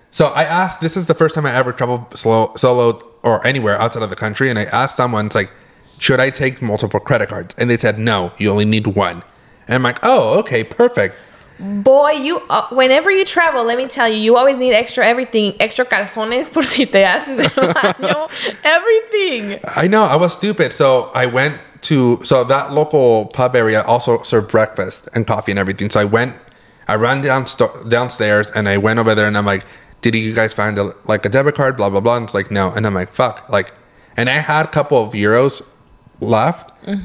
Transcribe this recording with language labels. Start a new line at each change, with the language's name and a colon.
English: So I asked, this is the first time I ever traveled solo or anywhere outside of the country. And I asked someone, it's like, should I take multiple credit cards? And they said, no, you only need one. And I'm like, oh, okay, perfect. Boy, you whenever you travel, let me tell you, you always need extra everything.
Spanish: Extra calzones por si te haces el baño.
English: Everything. I know. I was stupid. So I went to... So that local pub area also served breakfast and coffee and everything. So I went... I ran downstairs and I went over there and I'm like, did you guys find a debit card? Blah, blah, blah. And it's like, no. And I'm like, fuck. Like, and I had a couple of euros left. Mm-hmm.